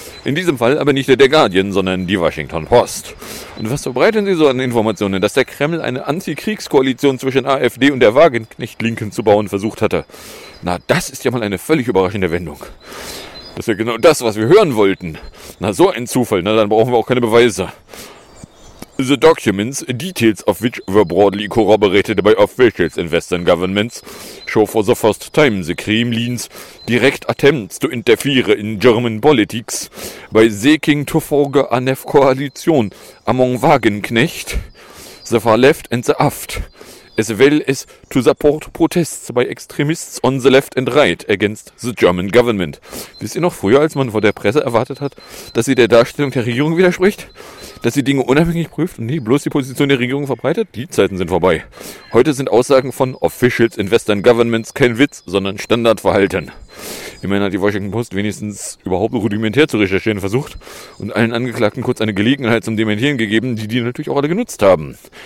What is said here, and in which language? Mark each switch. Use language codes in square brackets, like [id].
[de] In diesem Fall aber nicht der Guardian, sondern die Washington Post. Und was verbreiten sie so an Informationen, dass der Kreml eine Antikriegskoalition zwischen AfD und der Wagenknecht-Linken zu bauen versucht hatte. Na, das ist ja mal eine völlig überraschende Wendung. Das ist ja genau das, was wir hören wollten. Na, so ein Zufall. Na, dann brauchen wir auch keine Beweise. [en] The documents, details of which were broadly corroborated by officials in Western governments, show for the first time the Kremlin's direct attempts to interfere in German politics by seeking to forge a new coalition among Wagenknecht, the far left and the aft, as well as to support protests by extremists on the left and right against the German government. [de] Wisst ihr noch, früher, als man von der Presse erwartet hat, dass sie der Darstellung der Regierung widerspricht? Dass sie Dinge unabhängig prüft und nicht bloß die Position der Regierung verbreitet? Die Zeiten sind vorbei. Heute sind Aussagen von [en] Officials in Western Governments [de] kein Witz, sondern Standardverhalten. Immerhin hat die Washington Post wenigstens überhaupt rudimentär zu recherchieren versucht und allen Angeklagten kurz eine Gelegenheit zum Dementieren gegeben, die die natürlich auch alle genutzt haben.